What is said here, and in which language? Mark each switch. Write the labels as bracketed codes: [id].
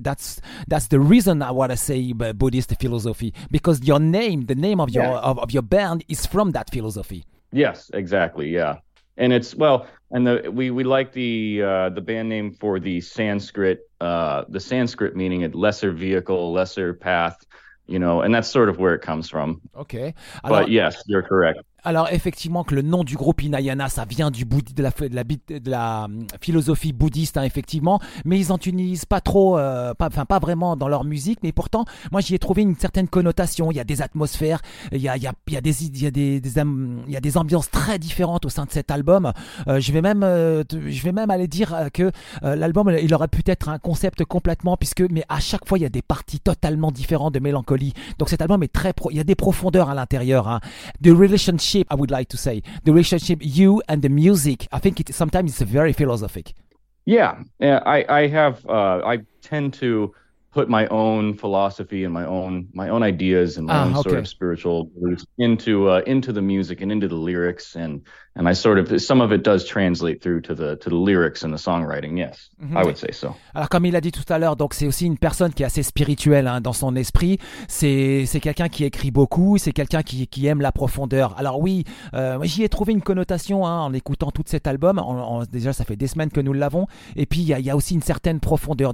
[en] That's the reason I want to say Buddhist philosophy, because your name, the name of your band is from that philosophy. Yes, exactly. Yeah. And it's, well, and the, we like the band name for the Sanskrit meaning it lesser vehicle, lesser path. And that's sort of where it comes from. Okay. But yes, you're correct. [fr] Alors effectivement que le nom du groupe Hinayana, ça vient du bouddhisme, de la philosophie bouddhiste, hein, effectivement, mais ils en utilisent pas trop, pas vraiment dans leur musique, mais pourtant moi j'y ai trouvé une certaine connotation. Il y a des atmosphères, il y a des ambiances très différentes au sein de cet album. Je vais même aller dire que l'album il aurait pu être un concept complètement, mais à chaque fois il y a des parties totalement différentes de mélancolie. Donc cet album est très il y a des profondeurs à l'intérieur, hein. [en] The relationship, I would like to say, the relationship you and the music, I think it sometimes it's very philosophic. Yeah, I tend to put my own philosophy and my own ideas and my own sort of spiritual roots into the music and into the lyrics, and I sort of, some of it does translate through to the lyrics and the songwriting. Yes, mm-hmm. I would say so. [fr] Alors comme il a dit tout à l'heure, donc c'est aussi une personne qui est assez spirituelle, hein, dans son esprit. C'est quelqu'un qui écrit beaucoup, c'est quelqu'un qui aime la profondeur. Alors oui, j'y ai trouvé une connotation, hein, en écoutant tout cet album. Déjà ça fait des semaines que nous l'avons, et puis il y a aussi une certaine profondeur.